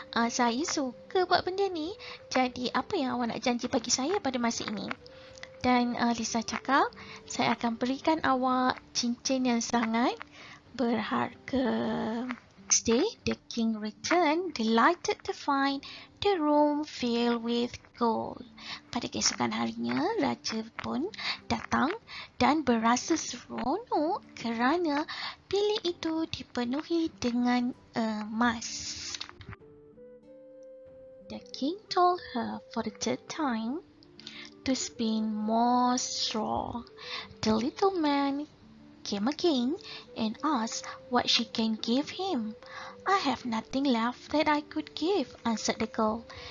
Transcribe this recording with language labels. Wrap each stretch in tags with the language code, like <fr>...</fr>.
<ms>Saya suka buat benda ni. Jadi, apa yang awak nak janji bagi saya pada masa ini? Dan Lisa cakap, saya akan berikan awak cincin yang sangat berharga.</ms> <en>Next day, the king returned, delighted to find the room filled with gold.</en> <ms>Pada keesokan harinya, raja pun datang dan berasa seronok kerana bilik itu dipenuhi dengan emas.</ms> <en>The king told her for the third time to spin more straw. The little man came again and asked what she can give him. I have nothing left that I could give, answered the girl.</en>